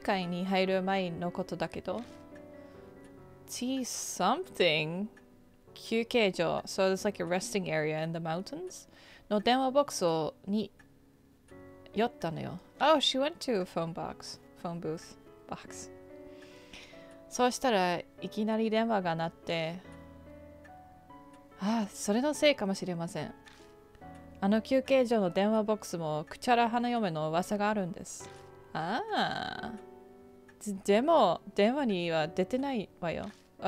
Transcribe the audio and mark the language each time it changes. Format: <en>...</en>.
<ja>あの日、次回に入る前のことだけど?</ja> <en>See something?</en> <ja>休憩所,</ja> <en>so it's like a resting area in the mountains?</en> <ja>の電話ボックスに寄ったのよ。</ja> <en>Oh, she went to a phone box. Phone booth. Box.</en> <ja>そうしたらいきなり電話が鳴って、ああ、それのせいかもしれません。あの休憩所の電話ボックスもクチャラ派の嫁の噂があるんです。ああ、でも電話には出てないわよ。Oh,</ja>